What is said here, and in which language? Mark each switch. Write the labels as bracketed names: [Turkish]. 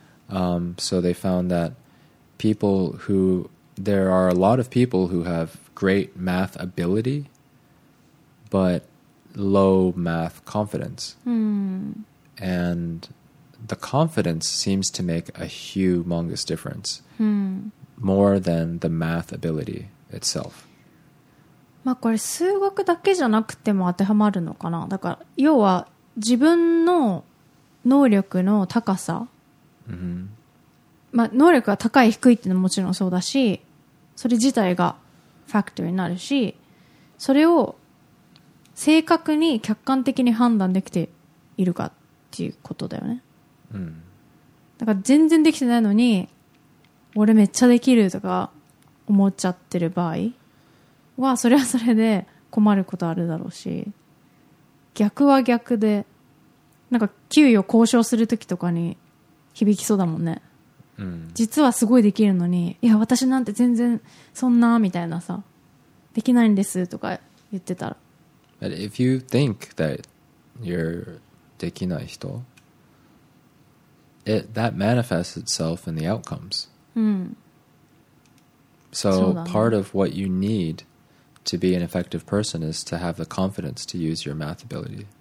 [English] So they found that people who, there are a lot of people who have great math ability, but low math confidence. And the confidence seems to make a humongous difference, more than the math ability itself. [Japanese] まあこれ数学だけじゃなくても当てはまるのかな。だから要は自分の能力の高さ、まあ能力が高い低いっていうのももちろんそうだし、それ自体がファクターになるし、それを正確に客観的に判断できているかっていうことだよね。だから全然できてないのに俺めっちゃできるとか思っちゃってる場合はそれはそれで困ることあるだろうし、逆は逆でなんか給与交渉するときとかに響きそうだもんね。実はすごいできるのに、いや私なんて全然そんなみたいなさ、できないんですとか言ってたら。 [English] But if you think that you're [Japanese] できない人、 [English] that manifests itself in the outcomes. So part of what you need to be an effective person is to have the confidence to use your math ability.